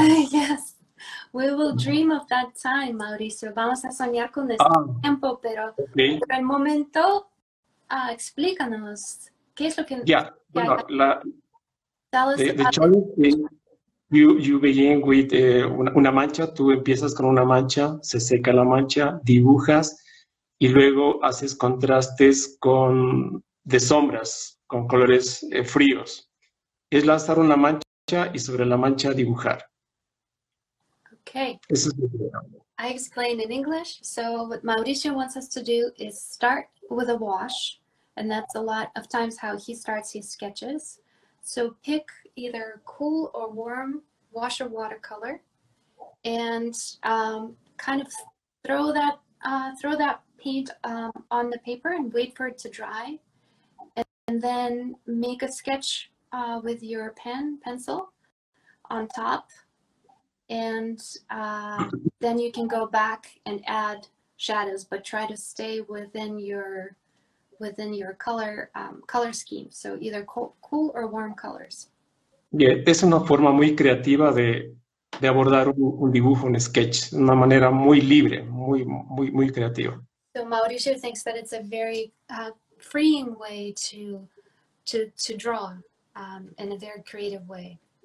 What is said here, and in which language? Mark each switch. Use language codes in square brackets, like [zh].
[en] Yes, we will dream of that time, Mauricio. [es] Vamos a soñar con ese tiempo, pero por el momento, explícanos. [en] You begin with [es] una mancha, tú empiezas con una mancha, se seca la mancha, dibujas y luego haces contrastes con de sombras, con colores fríos. Es lanzar una mancha y sobre la mancha dibujar. [en] Okay. [es] Eso es lo que [en] I explain in English. So what Mauricio wants us to do is start with a wash. And that's a lot of times how he starts his sketches. So pick either cool or warm wash or watercolor and kind of throw that paint on the paper and wait for it to dry. And then make a sketch with your pencil on top. and then you can go back and add shadows, but try to stay within your color color scheme. So either cool or warm colors. [es] Bien, es una forma muy creativa de abordar un dibujo, un sketch, una manera muy libre, muy muy muy creativa. [en] So Mauricio thinks that it's a very freeing way to draw in a very creative way.